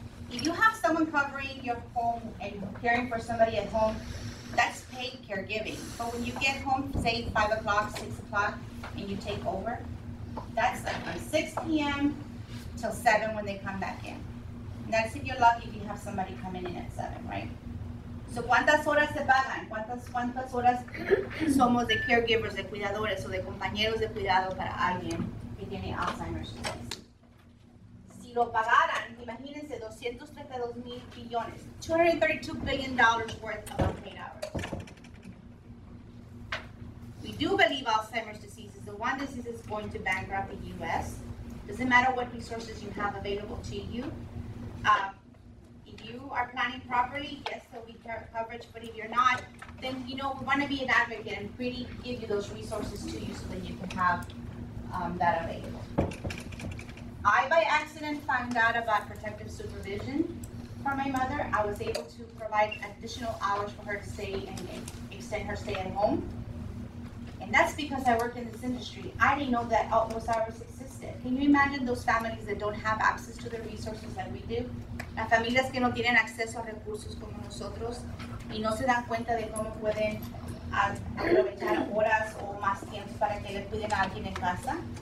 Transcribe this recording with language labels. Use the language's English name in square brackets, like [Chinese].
[English] If you have someone covering your home and caring for somebody at home, that's paid caregiving. But when you get home, say 5 o'clock, 6 o'clock, and you take over, that's like from 6 p.m. till 7 when they come back in. And that's if you're lucky if you have somebody coming in at 7, right? [Spanish] So, ¿cuántas horas se pagan? ¿Cuántas horas somos de caregivers, de cuidadores, o de compañeros de cuidado para alguien que tiene Alzheimer's disease? Si lo pagaran, imagínense, 232 mil billones, [English] $232 billion worth of unpaid hours. We do believe Alzheimer's disease is the one disease that's going to bankrupt the U.S. Doesn't matter what resources you have available to you. If you are planning properly, yes, there'll be coverage, but if you're not, then, you know, we want to be an advocate and really give you those resources to you so that you can have that available. I, by accident, found out about protective supervision for my mother. I was able to provide additional hours for her to stay and extend her stay at home. And that's because I work in this industry. I didn't know that those hours existed. Can you imagine those families that don't have access to the resources that we do? [Spanish] Las familias que no tienen acceso a recursos como nosotros y no se dan cuenta de cómo pueden aprovechar horas o más tiempo para que le cuiden a alguien en casa.